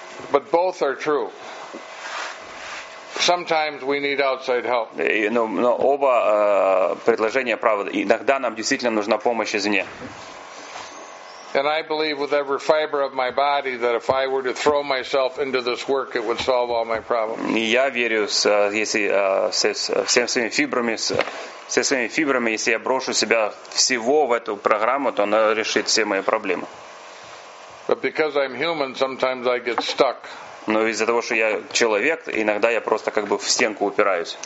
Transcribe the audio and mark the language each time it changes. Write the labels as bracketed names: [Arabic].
[English] But both are true. Sometimes we need outside help. [Russian] Но оба предложения правы. Иногда нам действительно нужна помощь извне. [English] And I believe with every fiber of my body that if I were to throw myself into this work, it would solve all my problems. [Russian] И я верю, если со всеми фибрами, если я брошу себя всего в эту программу, то она решит все мои проблемы. [English] But because I'm human, sometimes I get stuck. [Russian] Но из-за того, что я человек, иногда я просто как бы в стенку упираюсь.